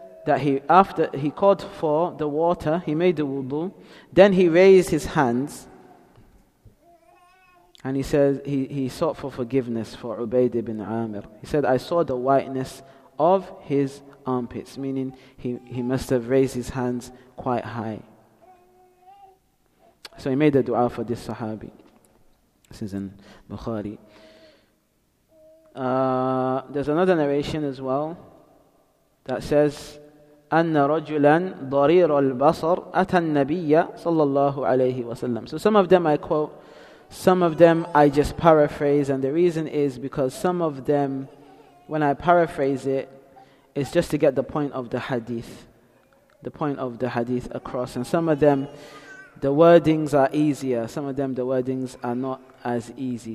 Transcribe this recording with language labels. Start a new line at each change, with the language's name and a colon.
English: that he, after he called for the water, he made the wudu, then he raised his hands and he said he sought for forgiveness for Ubayd ibn Amir. He said, I saw the whiteness of his armpits, meaning he must have raised his hands quite high. So he made a dua for this sahabi. This is in Bukhari. There's another narration as well that says,
Arabic: أن رجلا ضرير البصر أتى النبي صلى الله عليه وسلم.
English: So some of them I quote, some of them I just paraphrase, and the reason is because some of them, when I paraphrase it, it's just to get the point of the hadith, the point of the hadith across. And some of them, the wordings are easier. Some of them, the wordings are not as easy.